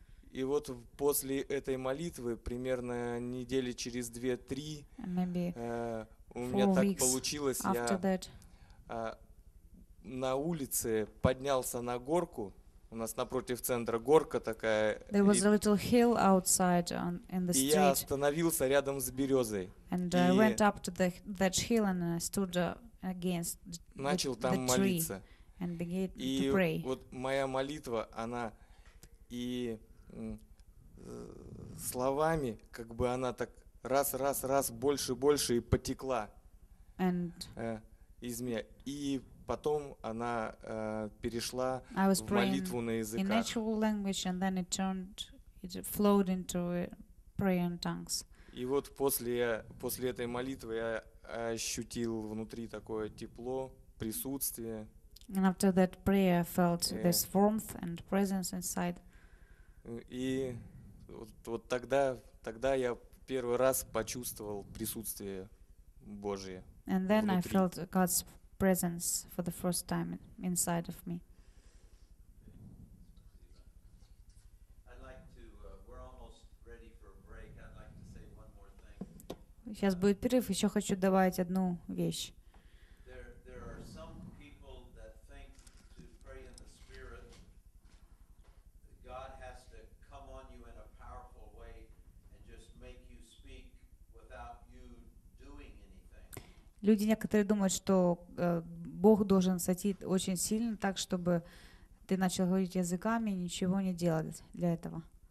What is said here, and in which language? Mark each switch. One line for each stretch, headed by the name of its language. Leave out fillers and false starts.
Russian: И вот после этой молитвы, примерно недели через 2-3, у меня так получилось, я на улице поднялся на горку. У нас напротив центра горка такая.
English: There was a little hill outside on, in the street.
Russian: И я остановился рядом с березой.
English: And I went up to that hill and I stood against the tree.
Russian: Начал там молиться.
English: And began to pray.
Russian: И вот моя молитва, она и словами, как бы она так раз, больше и потекла из меня. И потом она перешла в молитву на языках.
English: In natural language, and then it flowed into prayer in tongues.
Russian: И вот после этой молитвы я ощутил внутри такое тепло, присутствие.
English: And after that prayer, I felt this warmth and presence inside.
Russian: И вот тогда я первый раз почувствовал присутствие Божие.
English: And then
Russian: внутри.
English: I felt God's presence for the first time inside of me. We're almost ready for a break. I'd like to say one more thing.
Russian: Сейчас будет перерыв, еще хочу добавить одну вещь.
English: There are some people that think to pray in the spirit that God has to come on you in a powerful way and just make you speak without you doing anything.
Russian: Люди некоторые думают, что Бог должен сойти очень сильно так, чтобы ты начал говорить языками и ничего не делать для этого.